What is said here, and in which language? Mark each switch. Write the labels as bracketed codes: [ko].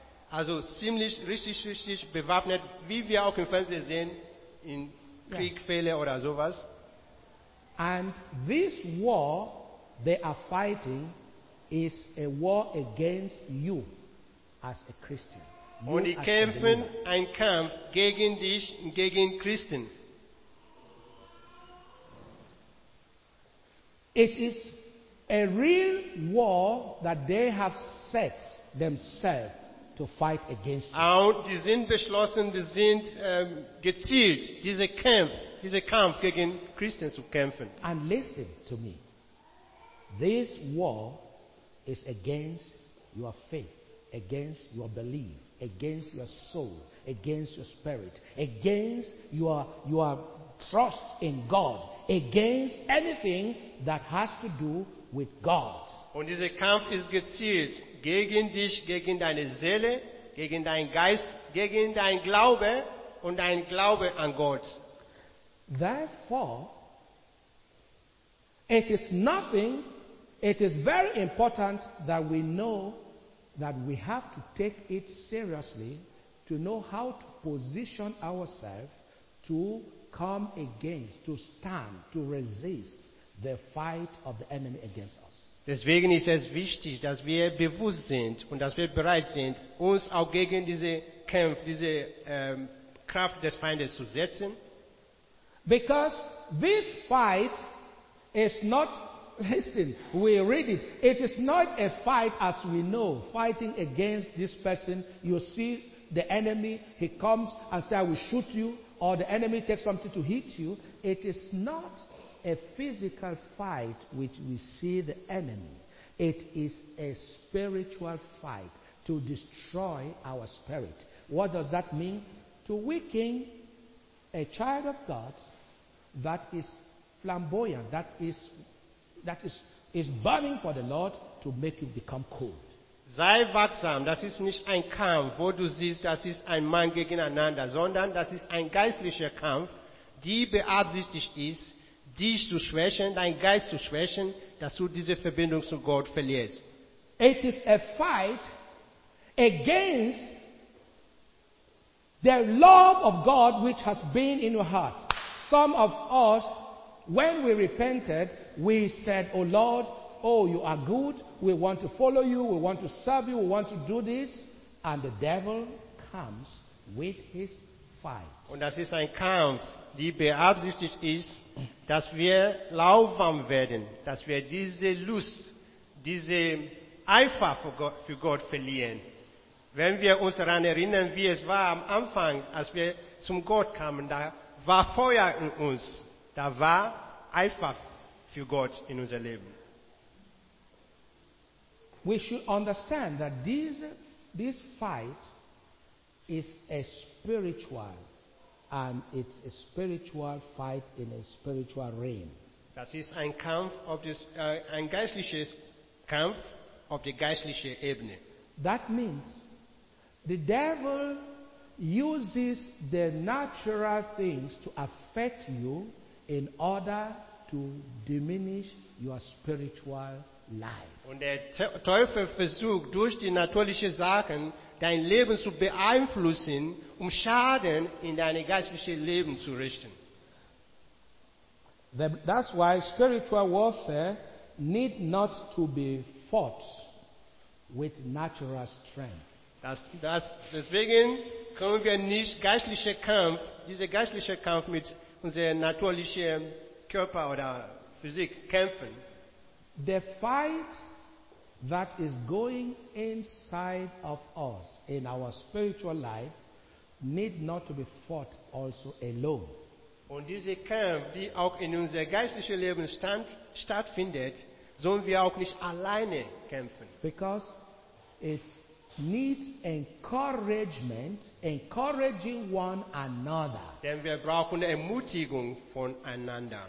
[de] Also ziemlich richtig bewaffnet, wie wir auch im Fernsehen sehen. In Kriegfälle oder sowas. [en] And this war they are fighting is a war against you as a Christian. [de] Und die kämpfen ein Kampf gegen dich, gegen Christen. [en] It is a real war that they have set themselves to fight against you. [de] Und die sind beschlossen, die sind gezielt, diese Kampf gegen Christen zu kämpfen. [en] And listen to me. This war is against your faith, against your belief, against your soul, against your spirit, against your trust in God, against anything that has to do with God. [de] Und dieser Kampf ist gezielt. Gegen dich, gegen deine Seele, gegen deinen Geist, gegen dein Glaube und dein Glaube an Gott. [en] Therefore, it is nothing, it is very important that we know that we have to take it seriously to know how to position ourselves to come against, to stand, to resist the fight of the enemy against us. [de] Deswegen ist es wichtig, dass wir bewusst sind und dass wir bereit sind, uns auch gegen diese Kampf, diese Kraft des Feindes zu setzen. [en] Because this fight is not listen, we read it. It is not a fight as we know, fighting against this person. You see the enemy, he comes and says, I will shoot you, or the enemy takes something to hit you. It is not a physical fight which we see the enemy. It is a spiritual fight to destroy our spirit. What does that mean? To weaken a child of God that is flamboyant, that is burning for the Lord, to make you become cold. [de] Sei wachsam, das ist nicht ein Kampf, wo du siehst, das ist ein Mann gegeneinander, sondern das ist ein geistlicher Kampf, die beabsichtigt ist, dich zu schwächen, dein Geist zu schwächen, dass du diese Verbindung zu Gott verlierst. [en] It is a fight against the love of God which has been in your heart. Some of us, when we repented, we said, oh Lord, oh, you are good, we want to follow you, we want to serve you, we want to do this, and the devil comes with his fight. [de] Und das ist ein Kampf, die beabsichtigt ist, dass wir lauwarm werden, dass wir diese Lust, diese Eifer für Gott verlieren. Wenn wir uns daran erinnern, wie es war am Anfang, als wir zum Gott kamen, da war Feuer in uns, da war Eifer für Gott in unser Leben. [en] We should understand that this fight is a spiritual, and it's a spiritual fight in a spiritual realm. [de] Das ist ein Kampf auf das, ein geistliches Kampf auf der geistlichen Ebene. [en] That means the devil uses the natural things to affect you in order to diminish your spiritual life. [de] Und der Teufel versucht durch die natürlichen Sachen dein Leben zu beeinflussen, um Schaden in dein geistliches Leben zu richten. [en] That's why spiritual warfare need not to be fought with natural strength. [de] Deswegen können wir nicht diesen geistlichen Kampf mit unserem natürlichen Körper oder Physik kämpfen. [en] The fight that is going inside of us in our spiritual life need not to be fought also alone. [de] Und dieser Kampf, die auch in unser geistliches Leben stattfindet, sollen wir auch nicht alleine kämpfen. [en] Because it needs encouraging one another. [de] Denn wir brauchen Ermutigung voneinander.